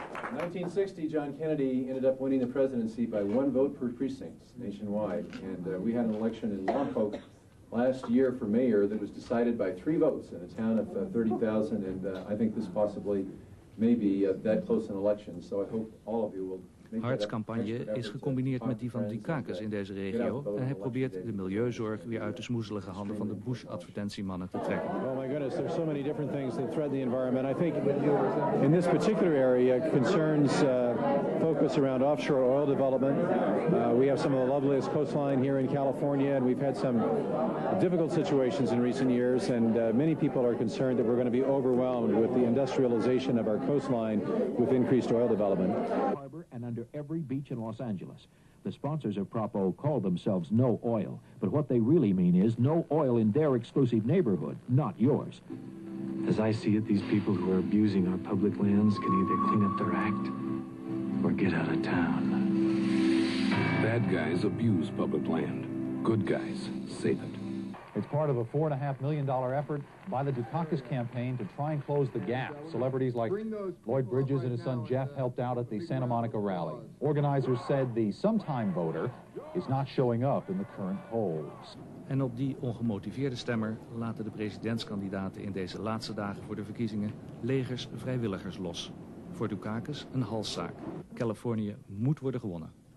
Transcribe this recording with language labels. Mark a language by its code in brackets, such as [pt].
[en] In 1960, John Kennedy ended up winning the presidency by one vote per precinct nationwide, and we had an election in Lompoc last year for mayor that was decided by three votes in a town of 30,000, and I think this possibly may be that close an election, so I hope all of you will... [nl] Hart's campagne is gecombineerd met die van Dukakis in deze regio en hij probeert de milieuzorg weer uit de smoezelige handen van de Bush-advertentiemannen te trekken. [en] Oh my goodness, there's so many different things that threaten the environment. I think in this particular area, concerns focus around offshore oil development. We have some of the loveliest coastline here in California and we've had some difficult situations in recent years and many people are concerned that we're going to be overwhelmed with the industrialization of our coastline with increased oil development. And under every beach in Los Angeles. The sponsors of Prop O call themselves No Oil, but what they really mean is no oil in their exclusive neighborhood, not yours. As I see it, these people who are abusing our public lands can either clean up their act or get out of town. Bad guys abuse public land. Good guys save it. It's part of a $4.5 million effort by the Dukakis campaign to try and close the gap. Celebrities like Lloyd Bridges right and his son Jeff helped out at the Santa Monica rally. Organizers said the sometime voter is not showing up in the current polls. [nl] En op die ongemotiveerde stemmer laten de presidentskandidaten in deze laatste dagen voor de verkiezingen legers vrijwilligers los. Voor Dukakis een halszaak. Californië moet worden gewonnen.